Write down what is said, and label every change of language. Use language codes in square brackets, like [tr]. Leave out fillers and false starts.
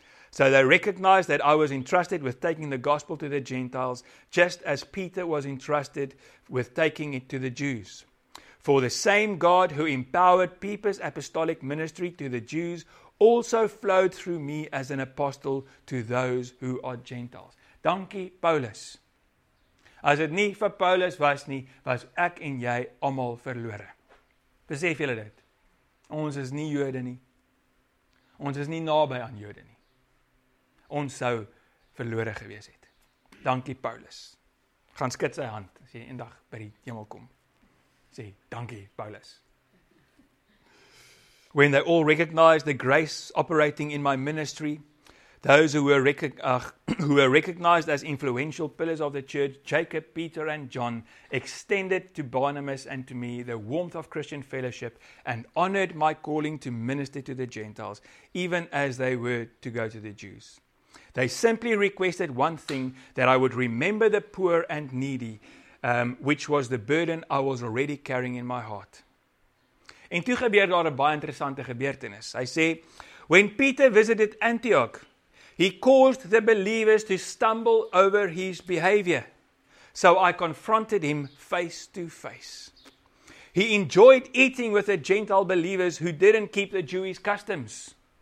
[en] So they recognized that I was entrusted with taking the gospel to the Gentiles, just as Peter was entrusted with taking it to the Jews. For the same God who empowered Peter's apostolic ministry to the Jews also flowed through me as an apostle to those who are Gentiles. [af] Dankie, Paulus. As dit nie vir Paulus was nie, was ek en jy almal verlore. Besef julle dit? Ons is nie Jode nie. Ons is nie naby aan Jode nie. Ons sou verlore gewees het. Dankie Paulus. Gaan skud sy hand as jy eendag by die hemel kom. Sê, dankie Paulus. [en] When they all recognized the grace operating in my ministry, those who were recognized as influential pillars of the church, Jacob, Peter and John, extended to Barnabas and to me the warmth of Christian fellowship and honored my calling to minister to the Gentiles, even as they were to go to the Jews. They simply requested one thing, that I would remember the poor and needy, which was the burden I was already carrying in my heart. [af] En toe gebeur daar 'n baie interessante gebeurtenis. Hy sê, [en] when Peter visited Antioch, he caused the believers to stumble over his behavior. So I confronted him face to face. He enjoyed eating with the Gentile believers who didn't keep the Jewish customs.